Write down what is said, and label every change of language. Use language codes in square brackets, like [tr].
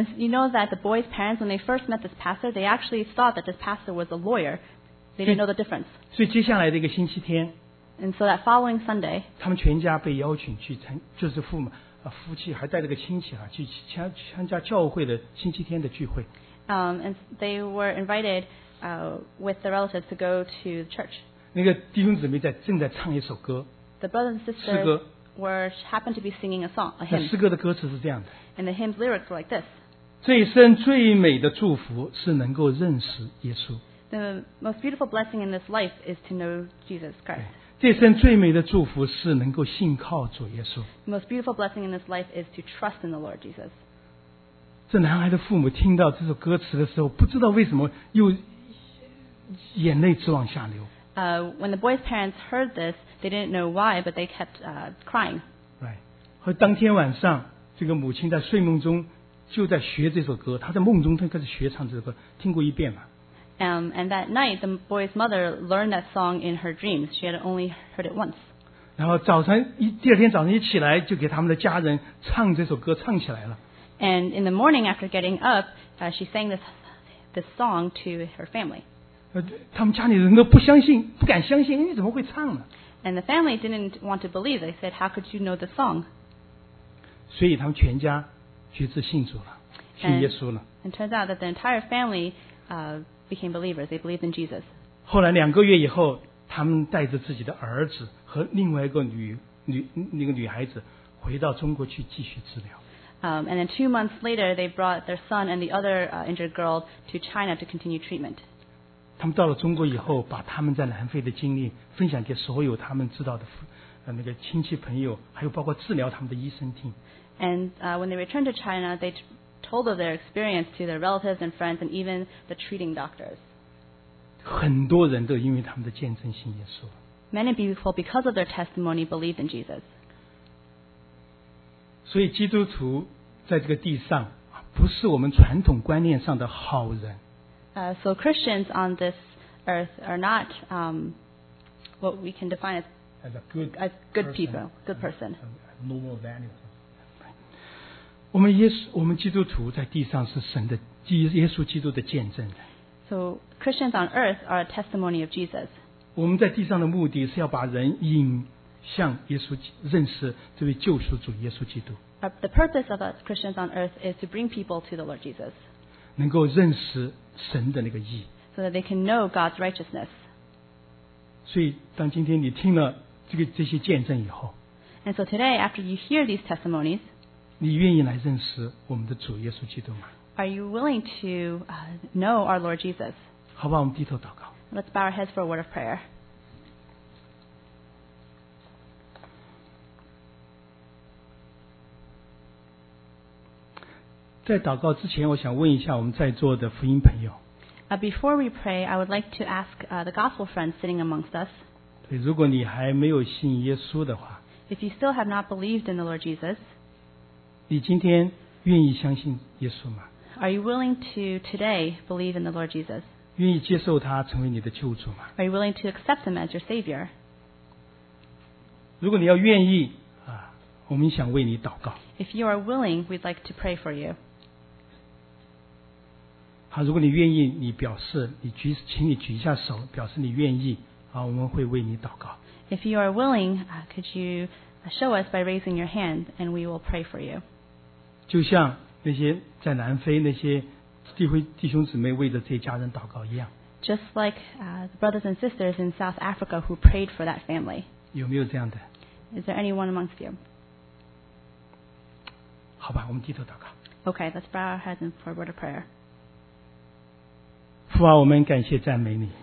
[en] And you know that the boy's parents when they first met this pastor, they actually thought that this pastor was a lawyer. They didn't know the difference. [zh] 所以接下来的一个星期天 [en] And so that following Sunday, [zh] 他们全家被邀请去参就是父母、啊、夫妻还带着个亲戚啊去参加教会的星期天的聚会。 [en] And they were invitedwith the relatives to go to the church. [zh] 那个弟兄姊妹在正在唱一首歌。 [en] The brothers and sisters happened to be singing a song, a hymn. [zh] 诗歌的歌词是这样的。 [en] And the hymn's lyrics were like this. [zh] 最深最美的祝福是能够认识耶稣。 [en] The most beautiful blessing in this life is to know Jesus Christ. [zh] 最深最美的祝福是能够信靠主耶稣。 [en] The most beautiful blessing in this life is to trust in the Lord Jesus. [zh] 这男孩的父母听到这首歌词的时候不知道为什么又眼泪直往下流。 [en] When the boy's parents heard this, they didn't know why, but they kept crying. Right. [zh] 和当天晚上，这个母亲在睡梦中就在学这首歌，她在梦中她开始学唱这首歌，听过一遍嘛。 [en] And that night, the boy's mother learned that song in her dreams. She had only heard it once. [zh] 然后早晨一第二天早上一起来就给他们的家人唱这首歌唱起来了。 [en] And in the morning after getting up, she sang this song to her family. [zh] 他们家里人都不相信，不敢相信，你怎么会唱呢？ [en] And the family didn't want to believe. They said, "How could you know the song?" [zh] 所以他们全家决志信主了，信耶稣了。 [en] And it turns out that the entire family, became believers. They believed in Jesus. [zh] 后来两个月以后，他们带着自己的儿子和另外一个女孩子回到中国去继续治疗。 [en] And then 2 months later, they brought their son and the other injured girl to China to continue treatment. [zh] 他们到了中国以后，把他们在南非的经历分享给所有他们知道的那个亲戚朋友，还有包括治疗他们的医生听。 [en] And when they returned to China, they told of their experience to their relatives and friends, and even the treating doctors. [zh] 很多人都因为他们的见证信耶稣。 [en] Many people, because of their testimony, believed in Jesus. [zh] 所以基督徒在这个地上不是我们传统观念上的好人。 [en] So Christians on this earth are not what we can define as good people, good person. Normal values. [zh] 我们基督徒在地上是神的耶稣基督的见证人。 [en] So Christians on earth are a testimony of Jesus. [zh] 我们在地上的目的是要把人引向耶稣，认识这位救赎主耶稣基督。 [en] The purpose of us Christians on earth is to bring people to the Lord Jesus. [zh] 能够认识神的那个义。 [en] So that they can know God's righteousness. [zh] 所以当今天你听了这些见证以后。 [en] And so today after you hear these testimonies, [zh] 你愿意来认识我们的主耶稣基督吗？ [en] Are you willing to know our Lord Jesus? [zh] 好吧，我们低头祷告。 [en] Let's bow our heads for a word of prayer. [zh] 在祷告之前，我想问一下我们在座的福音朋友。 [en] Before we pray, I would like to ask the gospel friends sitting amongst us. [zh] 对，如果你还没有信耶稣的话。 [en] If you still have not believed in the Lord Jesus. [zh] 你今天愿意相信耶稣吗？ [en] Are you willing to today believe in the Lord Jesus? [zh] 愿意接受他成为你的救主吗？ [en] Are you willing to accept him as your savior? [zh] 如果你要愿意，我们想为你祷告。 [en] If you are willing, we'd like to pray for you. [zh] 好，如果你愿意，你表示，请你举一下手，表示你愿意，我们会为你祷告。 [en] If you are willing, could you... Show us by raising your hand, and we will pray for you. [zh] 就像那些在南非那些弟兄姊妹为着这家人祷告一样。 [en] Just like the brothers and sisters in South Africa who prayed for that family. [zh] 有没有这样的？ [en] Is there anyone amongst you? [zh] 好吧，我们低头祷告。 [en] Okay, let's bow our heads for a word of prayer. [zh] 父啊，我们感谢赞美你。